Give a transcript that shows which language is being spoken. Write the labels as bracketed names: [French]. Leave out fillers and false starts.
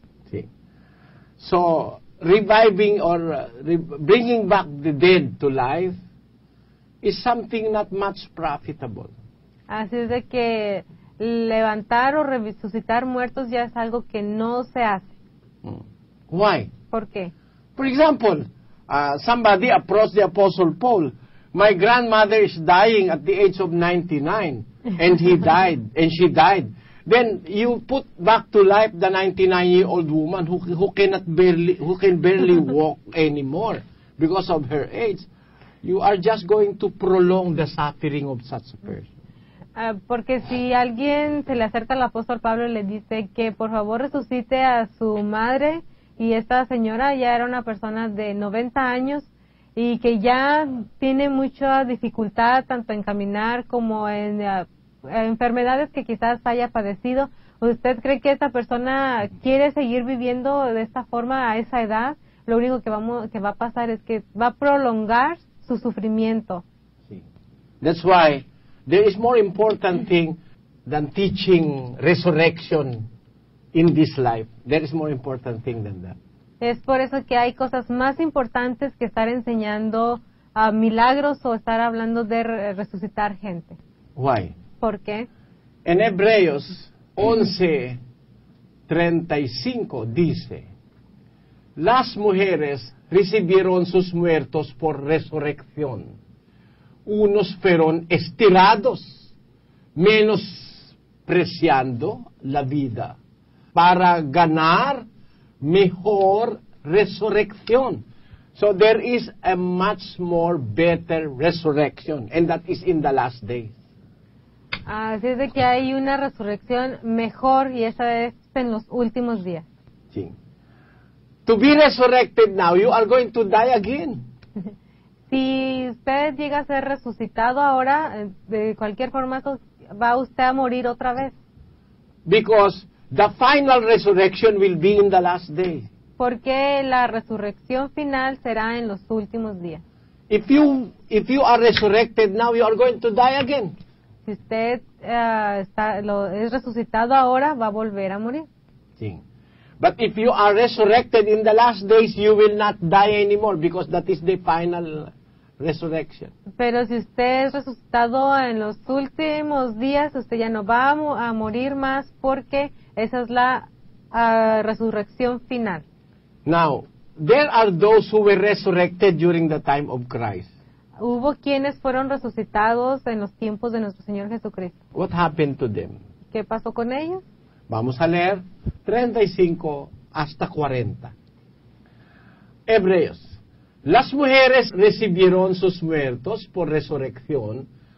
[Spanish] Sí. [English] So, reviving or bringing back the dead to life is something not much profitable. [Spanish] Así es de que levantar o resucitar muertos ya es algo que no se hace. [English] Why? [Spanish] ¿Por qué? [English] For example, somebody approached the Apostle Paul. My grandmother is dying at the age of 99, and she died. Then you put back to life the 99-year-old woman who can barely walk anymore because of her age. You are just going to prolong the suffering of such a person. [Spanish] Porque si alguien se le acerca al apóstol Pablo y le dice que por favor resucite a su madre, y esta señora ya era una persona de 90 años y que ya tiene mucha dificultad tanto en caminar como en enfermedades que quizás haya padecido, ¿usted cree que esta persona quiere seguir viviendo de esta forma a esa edad? Lo único que va a pasar es que va a prolongar su sufrimiento. Sí. [English] That's why there is more important thing than teaching resurrection in this life. There is more important thing than that. [Spanish] Es por eso que hay cosas más importantes que estar enseñando milagros o estar hablando de resucitar gente. [English] Why? [Spanish] ¿Por qué? En Hebreos 11:35 dice: las mujeres recibieron sus muertos por resurrección. Unos fueron estirados, menospreciando la vida, para ganar mejor resurrección. [English] So there is a much more better resurrection, and that is in the last days. [Spanish] Así es de que hay una resurrección mejor, y esa es en los últimos días. Sí. [English] To be resurrected now, you are going to die again. [Spanish] Si usted llega a ser resucitado ahora, de cualquier forma, va usted a morir otra vez. [English] Because the final resurrection will be in the last day. [Spanish] Porque la resurrección final será en los últimos días. [English] If you are resurrected now, you are going to die again. [Spanish] Si usted es resucitado ahora, va a volver a morir. Sí. [English] But if you are resurrected in the last days, you will not die anymore, because that is the final resurrection. [Spanish] Pero si usted es resucitado en los últimos días, usted ya no va a morir más, porque esa es la resurrección final. [English] Now, there are those who were resurrected during the time of Christ. [Spanish] Hubo quienes fueron resucitados en los tiempos de nuestro Señor Jesucristo. [English] What happened to them? [Spanish] ¿Qué pasó con ellos? Vamos a leer 35 hasta 40. Hebreos. Las mujeres recibieron sus muertos por resurrección.